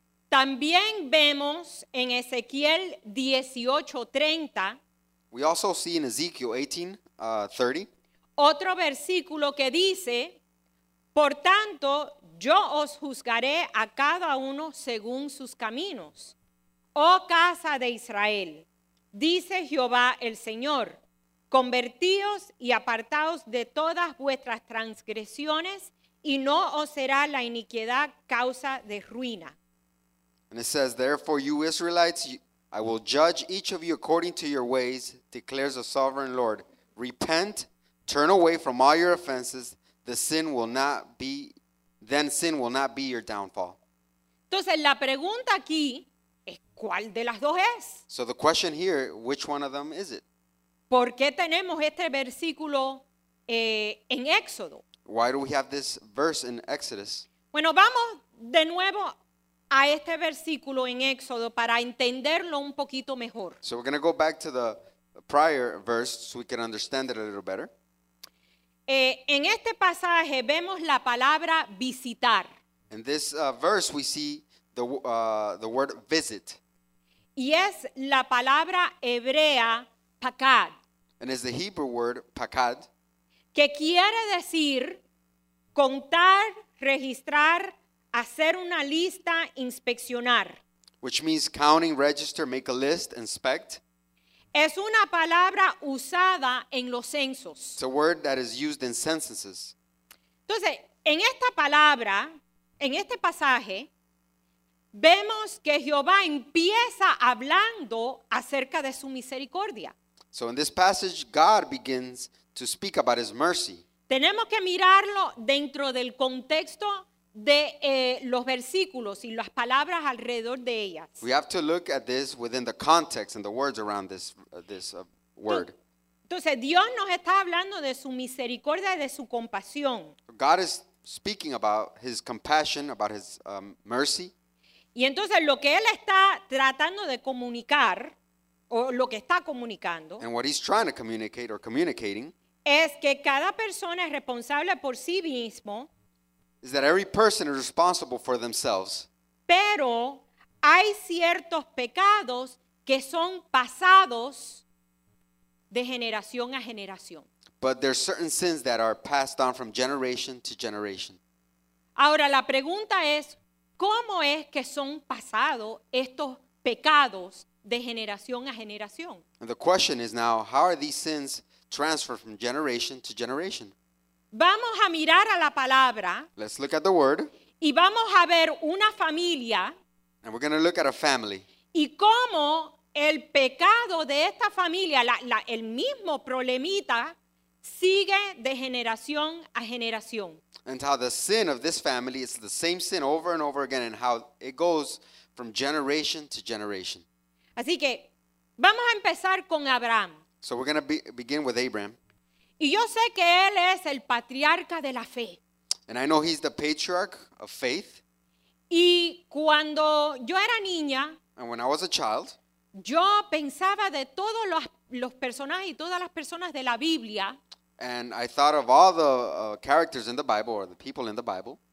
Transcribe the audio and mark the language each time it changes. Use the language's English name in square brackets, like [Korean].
[Spanish] También vemos en Ezequiel 18:30. [English] We also see in Ezekiel 18:30. [Spanish] Otro versículo que dice, por tanto, yo os juzgaré a cada uno según sus caminos. Oh casa de Israel, dice Jehová el Señor, convertíos y apartaos de todas vuestras transgresiones, y no os será la iniquidad causa de ruina. [English] And it says, therefore, you Israelites, I will judge each of you according to your ways, declares the sovereign Lord. Repent, turn away from all your offenses, then sin will not be your downfall. [Spanish] Entonces, la pregunta aquí es, ¿cuál de las dos es? [English] So the question here, which one of them is it? [Spanish] ¿Por qué tenemos este versículo en Éxodo? [English] Why do we have this verse in Exodus? [Spanish] Bueno, vamos de nuevo a este versículo en Éxodo para entenderlo un poquito mejor. [English] So we're going to go back to the prior verse so we can understand it a little better. [Spanish] En este pasaje vemos la palabra visitar. [English] In this verse we see the word visit. [Spanish] Y es la palabra hebrea pakad. [English] And it's the Hebrew word pakad. [Spanish] Que quiere decir contar, registrar, hacer una lista, inspeccionar. [English] Which means counting, register, make a list, inspect. [Spanish] Es una palabra usada en los censos. [English] It's a word that is used in censuses. [Spanish] Entonces, en esta palabra, en este pasaje, vemos que Jehová empieza hablando acerca de su misericordia. [English] So in this passage, God begins to speak about his mercy. [Spanish] Tenemos que mirarlo dentro del contexto de los versículos y las palabras alrededor de ellas. [English] We have to look at this within the context and the words around this word. [Spanish] Entonces, Dios nos está hablando de su misericordia y de su compasión. [English] God is speaking about his compassion, about his mercy. [Spanish] Y entonces, lo que él está tratando de comunicar, o lo que está comunicando, [English] and what he's trying to communicate or communicating, [Spanish] es que cada persona es responsable por sí mismo. [English] Is that every person is responsible for themselves. [Spanish] Pero hay ciertos pecados que son pasados de generación a generación. [English] But there are certain sins that are passed on from generation to generation. [Spanish] Ahora la pregunta es, ¿cómo es que son pasados estos pecados de generación a generación? [English] And the question is now, how are these sins transferred from generation to generation? [Spanish] Vamos a mirar a la palabra. [English] Let's look at the word. [Spanish] Y vamos a ver una familia. [English] And we're going to look at a family. [Spanish] Y cómo el pecado de esta familia, el mismo problemita, sigue de generación a generación. [English] And how the sin of this family is the same sin over and over again, and how it goes from generation to generation. [Spanish] Así que vamos a empezar con Abraham. [English] So we're going to begin with Abraham. [Spanish] Y yo sé que él es el patriarca de la fe. [English] And I know he's the patriarch of faith. [Spanish] Y cuando yo era niña, [English] and when I was a child, [Spanish] yo pensaba de todos los personajes y todas las personas de la Biblia. [English] And I thought of all the characters in the Bible, or the people in the Bible,